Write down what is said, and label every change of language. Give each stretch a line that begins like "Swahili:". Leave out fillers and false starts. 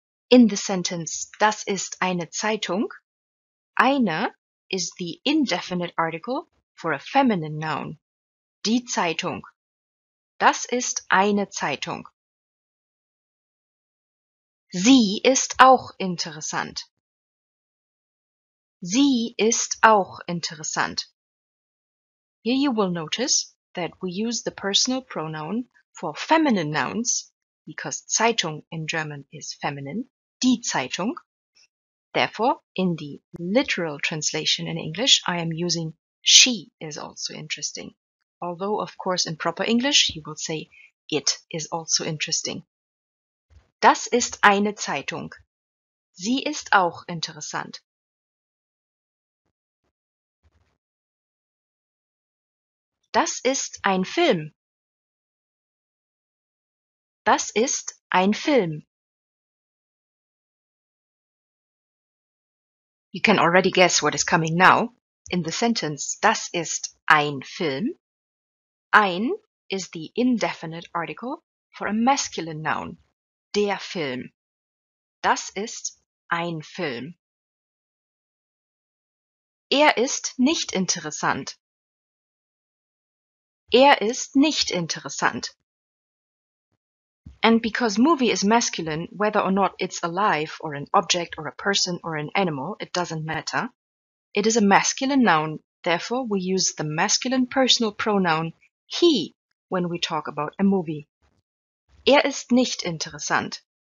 English: In the sentence,
German: das ist eine Zeitung.
English: Eine is the indefinite article for a feminine noun.
German: Die Zeitung. Das ist eine Zeitung. Sie ist auch interessant. Sie ist auch interessant.
English: Here you will notice that we use the personal pronoun for feminine nouns, because Zeitung in German is feminine,
German: die Zeitung.
English: Therefore, in the literal translation in English, I am using she is also interesting. Although, of course, in proper English, you will say, it is also interesting.
German: Das ist eine Zeitung. Sie ist auch interessant. Das ist ein Film. Das ist ein Film.
English: You can already guess what is coming now. In the sentence,
German: das ist ein Film.
English: Ein is the indefinite article for a masculine noun,
German: der Film. Das ist ein Film. Er ist nicht interessant. Er ist nicht interessant.
English: And because movie is masculine, whether or not it's alive or an object or a person or an animal, it doesn't matter. It is a masculine noun, therefore we use the masculine personal pronoun he, when we talk about a movie.
German: Er ist nicht interessant.